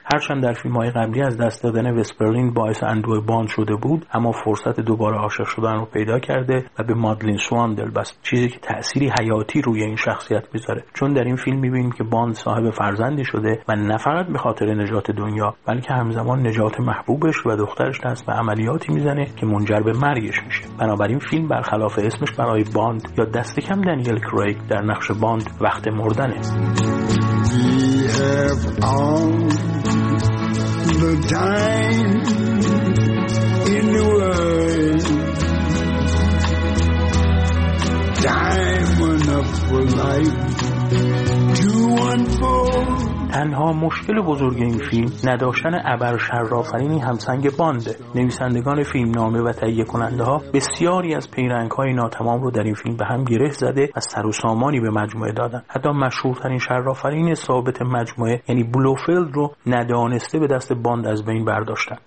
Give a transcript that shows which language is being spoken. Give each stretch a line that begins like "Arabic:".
Persian: هرچند در فیلم‌های قبلی از دست دادن وسپرلین باعث اندوه باند شده بود، اما فرصت دوباره عاشق شدن رو پیدا کرده و به مادلین سوان دلبست، چیزی که تأثیری حیاتی روی این شخصیت میذاره، چون در این فیلم میبینیم که باند صاحب فرزندی شده و نه فقط به خاطر نجات دنیا، بلکه همزمان نجات محبوبش و دخترش دست به عملیاتی میزنه که منجر به مرگش میشه. بنابراین فیلم برخلاف اسمش برای باند یا دست کم دانیل کریگ در نقش باند وقت مردنه.
English: The time in the world, time enough for life to unfold.
Persian: تنها مشکل بزرگ این فیلم نداشتن ابر شرافرینی همسنگ بانده. نویسندگان فیلم نامه و تهیه کننده ها بسیاری از پیرنگ‌های ناتمام رو در این فیلم به هم گره زده و سر و سامانی به مجموعه دادن. حتی مشهورترین شرافرین ثابت مجموعه، یعنی بلوفیلد رو ندانسته به دست باند از بین برداشتن.